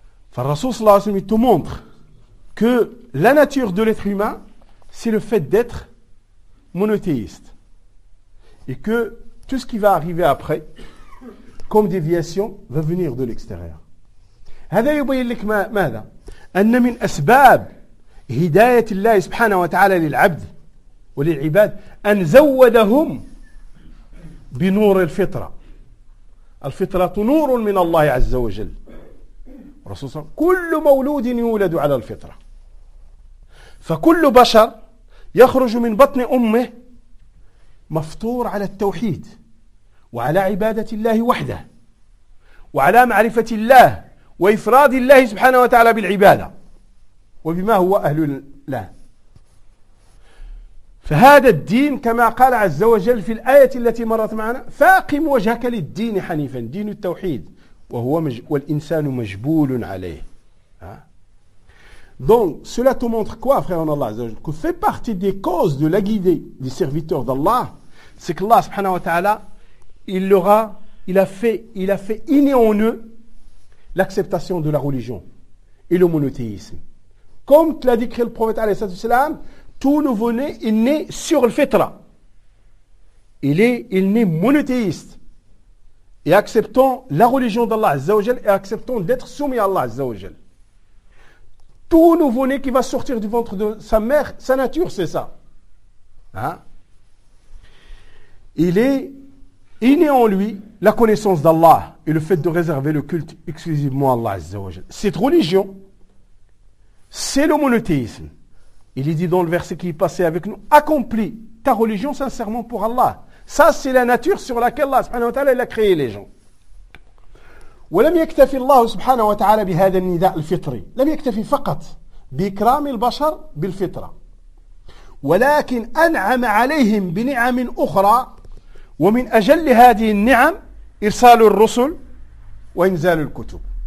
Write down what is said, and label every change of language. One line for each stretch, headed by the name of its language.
French: Enfin, le Rasoul sallallahu alayhi wa sallam te montre que la nature de l'être humain, c'est le fait d'être monothéiste. Et que tout ce qui va arriver après, comme déviation, va venir de l'extérieur.
Arabic: هذا يبين لك ماذا؟ أن من أسباب هداية الله سبحانه وتعالى للعبد وللعباد أن زودهم بنور الفطرة. الفطرة نور من الله عز وجل. رسول الله كل مولود يولد على الفطرة. فكل بشر يخرج من بطن أمه مفطور على التوحيد. وعلى عبادة الله وحده وعلى معرفة الله وإفراد الله سبحانه وتعالى بالعبادة وبما هو أهل الله. فهذا الدين كما قال عز وجل في الآية التي مرت معنا فأقم وجهك للدين حنيفا، دين التوحيد، وهو والإنسان مجبول عليه.
French: Donc cela te montre quoi, frère en Allah عز وجل, que fait partie des causes de la guidée des serviteurs d'Allah, c'est que Allah سبحانه وتعالى il a fait innée en eux l'acceptation de la religion et le monothéisme. Comme l'a dit le prophète alayhi salatu wasalam, tout nouveau-né est né sur le fitra. Il est monothéiste. Et acceptons la religion d'Allah Azzawajal et acceptons d'être soumis à Allah Azzawajal. Tout nouveau-né qui va sortir du ventre de sa mère, sa nature, c'est ça. Hein? Il est inné en lui la connaissance d'Allah et le fait de réserver le culte exclusivement à Allah Azzawajal. Cette religion, c'est le monothéisme. Il est dit dans le verset qui est passé avec nous, accomplis ta religion sincèrement pour Allah. Ça, c'est la nature sur laquelle Allah subhanahu wa ta'ala il a créé les gens.
Arabic: ولم يكتفي الله سبحانه وتعالى بهذا النداء الفطري لم يكتفي فقط بإكرام البشر بالفطرة ولكن أنعم عليهم بنعم أخرى ومن أجل هذه النعم إرسال الرسل وإنزال الكتب